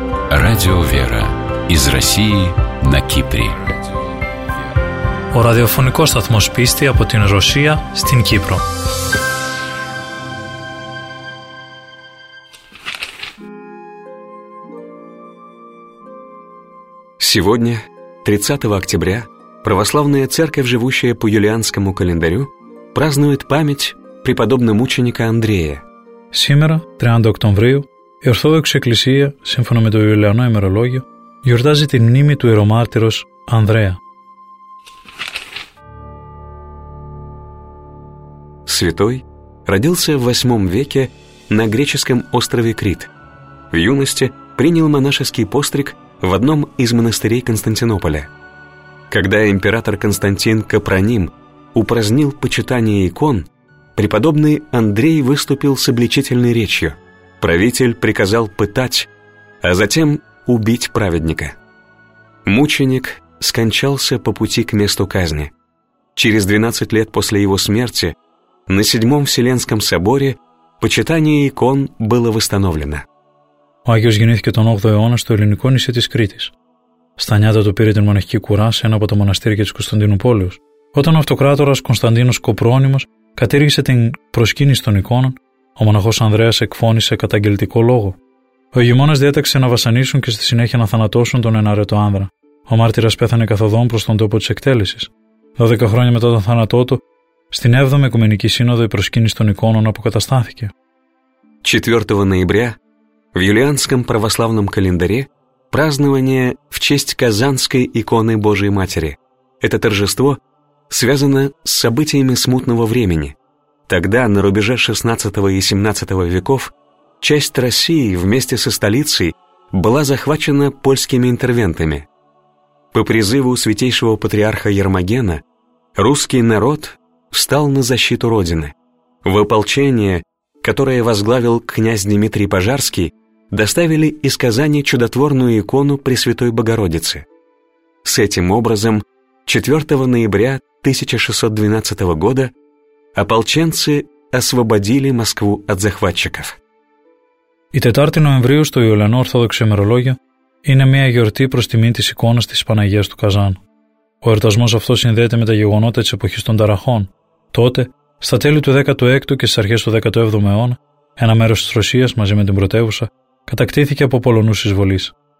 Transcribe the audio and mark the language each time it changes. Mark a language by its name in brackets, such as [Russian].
[Russian] Радио «Вера» из России на Кипре. [Greek] Ο ραδιοφωνικός σταθμός πίστη από την Ρωσία στην Κύπρο. [Russian] Сегодня, 30 октября, православная церковь, живущая по юлианскому календарю, празднует память преподобного мученика Андрея. Сегодня, 30 октября, [Greek] η Ορθόδοξη Εκκλησία, σύμφωνα με το Ιουλιανό ημερολόγιο, γιορτάζει την μνήμη του ιερομάρτυρος Ανδρέα. [Russian] Святой родился в 8 веке на греческом острове Крит. В юности принял монашеский постриг в одном из монастырей Константинополя. Когда император Константин Капроним упразднил почитание икон, преподобный Андрей выступил с обличительной речью. Правитель приказал пытать, а затем убить праведника. Мученик скончался по пути к месту казни. Через 12 лет после его смерти на 7-м Вселенском соборе почитание икон было восстановлено. [Greek] Ο Άγιος γεννήθηκε τον 8ο αιώνα στο ελληνικό νησί της Κρήτης. Στα νιάτα του πήρε την μοναχική κουρά σε ένα από τα μοναστήρια της Κωνσταντινούπολης. Όταν ο αυτοκράτορας Κωνσταντίνος Κοπρόνιμος κατήργησε την προσκύνηση των εικόνων, ο μοναχός Ανδρέας εκφώνησε καταγγελτικό λόγο. Ο ηγεμόνας διέταξε να βασανίσουν και στη συνέχεια να θανατώσουν τον ενάρετο άνδρα. Ο μάρτυρας πέθανε καθοδόν προς τον τόπο της εκτέλεσης. 12 χρόνια μετά τον θάνατό του, στην 7η Οικουμενική Σύνοδο, η προσκύνηση των εικόνων αποκαταστάθηκε. 4 Νοεμβρίου, [Russian] в юлианском православном календаре, празднование в честь Казанской иконы Божией Матери. Это торжество связано с событиями смутного времени. Тогда, на рубеже 16 и 17 веков, часть России вместе со столицей была захвачена польскими интервентами. По призыву святейшего патриарха Ермогена, русский народ встал на защиту Родины. В ополчение, которое возглавил князь Дмитрий Пожарский, доставили из Казани чудотворную икону Пресвятой Богородицы. С этим образом, 4 ноября 1612 года ополченцы освободили Москву от захватчиков. [Greek] Η 4 Νοεμβρίου στο Ιουλιανό Ορθόδοξο ημερολόγιο είναι μια γιορτή προς τιμή της εικόνας της Παναγίας του Καζάνου. Ο εορτασμός αυτός συνδέεται με τα γεγονότα της εποχής των Ταραχών. Τότε, στα τέλη του 16ου και στις αρχές του 17ου αιώνα, ένα μέρος της Ρωσίας μαζί με την πρωτεύουσα κατακτήθηκε από Πολωνούς εισβολής.